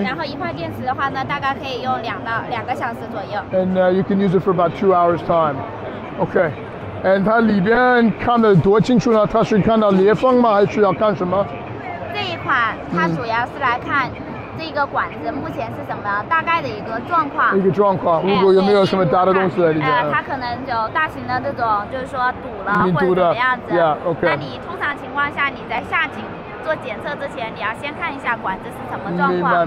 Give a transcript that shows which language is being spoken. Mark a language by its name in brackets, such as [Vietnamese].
[Chinese] Yeah, 然后一块电池的话呢，大概可以用两个小时左右。 [English] And you can use it for about 2 hours time. Okay. [Chinese] And 它里边看得多清楚呢？它是看到裂缝吗？还是要看什么？这一款它主要是来看这个管子目前是什么大概的一个状况。一个状况，如果有没有什么大的东西在里边。它可能就大型的这种，就是说堵了或者怎么样子。那你通常情况下，你在下井做检测之前，你要先看一下管子是什么状况。